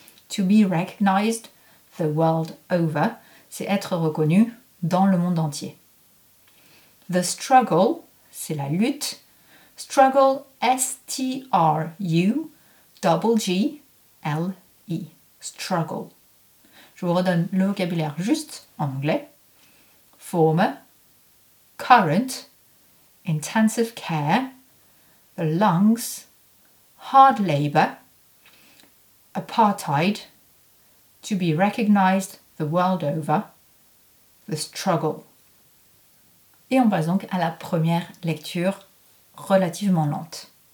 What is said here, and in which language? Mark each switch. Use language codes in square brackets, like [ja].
[en] To be recognized the world over. [fr] C'est être reconnu dans le monde entier. [en] The struggle, [fr] c'est la lutte. [en] Struggle, S-T-R-U-G-G-L-E. Struggle. [fr] Je vous redonne le vocabulaire juste en anglais. [en] Former, current, intensive care, the lungs, hard labor, apartheid, to be recognized the world over, the struggle. [fr] Et on passe donc à la première lecture relativement lente.